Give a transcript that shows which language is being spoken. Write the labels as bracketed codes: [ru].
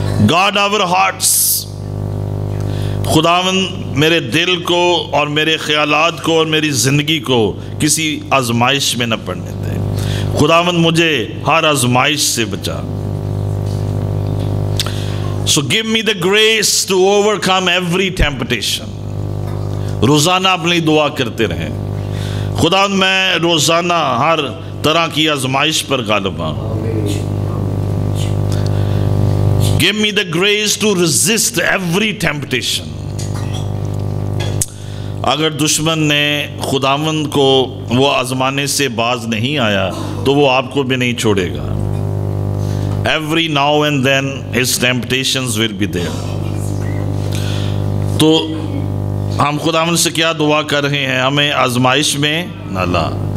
[en] guard our hearts, [ur] خداوند میرے دل کو اور میرے خیالات کو اور میری زندگی کو کسی آزمائش میں نہ پڑنے دے. خداوند مجھے ہر آزمائش سے بچا. [en] So give me the grace to overcome every temptation. [ur] روزانہ اپنی دعا کرتے رہیں, خدا میں روزانہ ہر طرح کی آزمائش پر غالب آؤں. [en] Give me the grace to resist every temptation. [ur] اگر دشمن نے خداوند کو وہ آزمانے سے باز نہیں آیا تو وہ آپ کو بھی نہیں چھوڑے گا. [en] Every now and then his temptations will be there. [ur] تو ہم خداوند سے کیا دعا کر رہے ہیں, ہمیں آزمائش میں نہ لا.